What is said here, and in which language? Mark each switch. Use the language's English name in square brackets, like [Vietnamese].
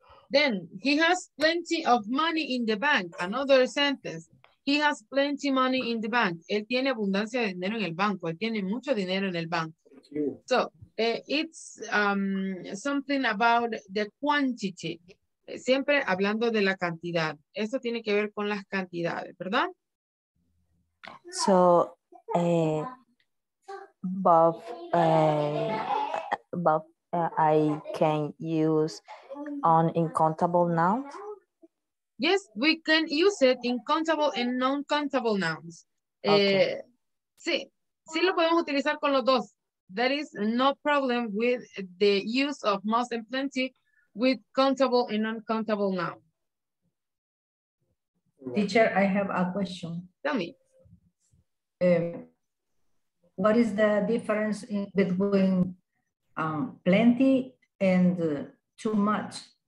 [English] Then, he has plenty of money in the bank. Another sentence. He has plenty money in the bank. [Spanish] Él tiene abundancia de dinero en el banco. Él tiene mucho dinero en el banco. [English] So, it's something about the quantity. [Spanish] Siempre hablando de la cantidad. Esto tiene que ver con las cantidades, ¿verdad? [English] So, both I can use on incontable nouns? Yes, we can use it in countable and non-countable nouns. Okay. [Spanish] Sí, sí lo podemos utilizar con los dos. [English] There is no problem with the use of most and plenty with countable and non-countable noun. Teacher, I have a question. Tell me. What is the difference in between plenty and too much?